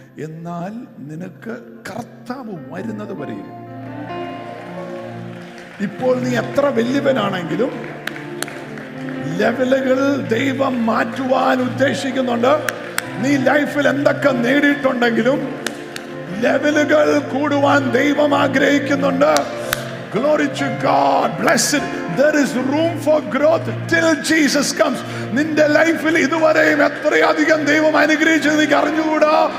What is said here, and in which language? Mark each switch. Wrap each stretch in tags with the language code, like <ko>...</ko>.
<ml>എന്നാൽ നിനക്ക് കർത്താവ് വരുന്നത് വരെ, ഇപ്പോൾ നീ എത്ര വലിയവനാണെങ്കിലും ലെവലുകൾ ദൈവം മാറ്റുവാൻ ഉദ്ദേശിക്കുന്നുണ്ട്. നീ ലൈഫിൽ എന്തൊക്കെ നേടിയിട്ടുണ്ടെങ്കിലും ലെവലുകൾ കൂടുവാൻ ദൈവം ആഗ്രഹിക്കുന്നുണ്ട്.</ml> <en>Glory to God. Bless it. There is room for growth till Jesus comes.</en> <ml>നിന്റെ ലൈഫിൽ ഇതുവരെയും എത്രയധികം ദൈവം അനുഗ്രഹിച്ചു നീ അറിഞ്ഞുകൂടാ?</ml>